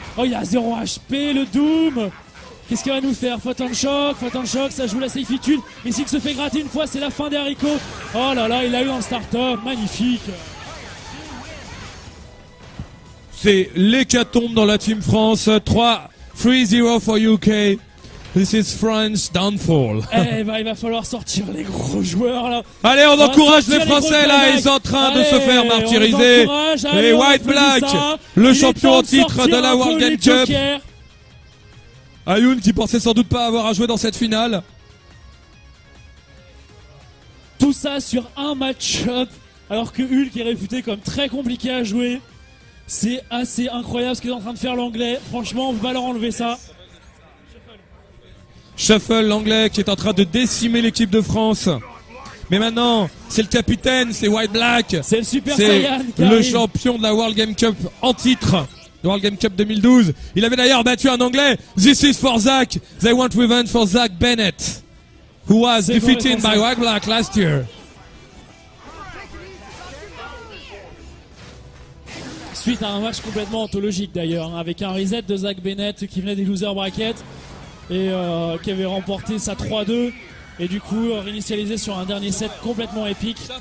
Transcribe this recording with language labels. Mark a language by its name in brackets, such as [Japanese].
[French] Oh, il a 0 HP, le Doom. Qu'est-ce qu'il va nous faire? Photon shock, photon shock. Ça joue la safitude. Mais s'il se fait gratter une fois, c'est la fin des haricots. Oh là là, il a eu en start-up. Magnifique. C'est l'hécatombe dans la Team France. [English] 3-0 for UK. This is France downfall. [French] Eh ben, il va falloir sortir les gros joueurs là. Allez, on encourage les Français là. Ils sont en train de se faire martyriser. Et White Black, le champion en titre de la World Game Cup. Ayoun qui pensait sans doute pas avoir à jouer dans cette finale. Tout ça sur un match-up. Alors que Hulk est réputé comme très compliqué à jouer. C'est assez incroyable ce qu'est en train de faire l'anglais. Franchement, on va leur enlever ça. Shuffle, l'anglais qui est en train de décimer l'équipe de France. Mais maintenant, c'est le capitaine, c'est White Black. C'est le Super c'est Saiyan. Le champion de la World Game Cup en titre. World Game Cup 2012. Il avait d'ailleurs battu un anglais. [English] This is for Zach. They want revenge for Zach Bennett. Who was c'est defeated by White Black last year. [French] Suite à un match complètement anthologique d'ailleurs, avec un reset de Zach Bennett qui venait des loser brackets et qui avait remporté sa 3-2 et du coup réinitialisé sur un dernier set complètement épique.